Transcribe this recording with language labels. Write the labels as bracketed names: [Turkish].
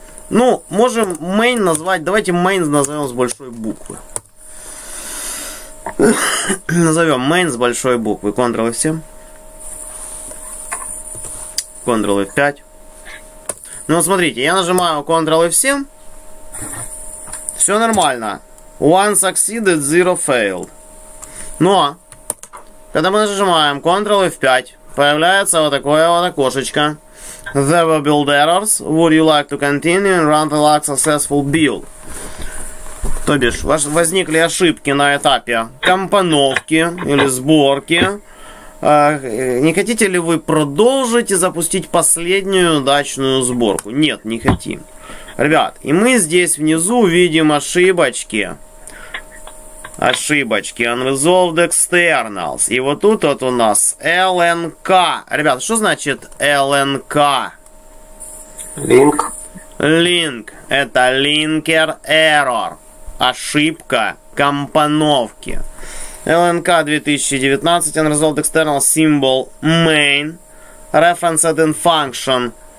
[Russian] Ну, можем main назвать, давайте main назовем с большой буквы. Назовем main с большой буквы. Ctrl-F7. Ctrl-F5. Ну, смотрите, я нажимаю Ctrl-F7. Все нормально. [English] One succeeded, zero failed. [Russian] Но, когда мы нажимаем Ctrl-F5, появляется вот такое вот окошечко. [English] There were build errors. Would you like to continue and run the last successful build? [Russian] То бишь, возникли ошибки на этапе компоновки или сборки. Не хотите ли вы продолжить и запустить последнюю удачную сборку? Нет, не хотим. Ребят, и мы здесь внизу видим ошибочки. Ошибочки. [English] Unresolved externals. [Russian] И вот тут вот у нас LNK. Ребят, что значит LNK? [English] Link. Link. [Russian] Это linker error. Ошибка компоновки. LNK 2019. [English] Unresolved external symbol main. Reference at in function.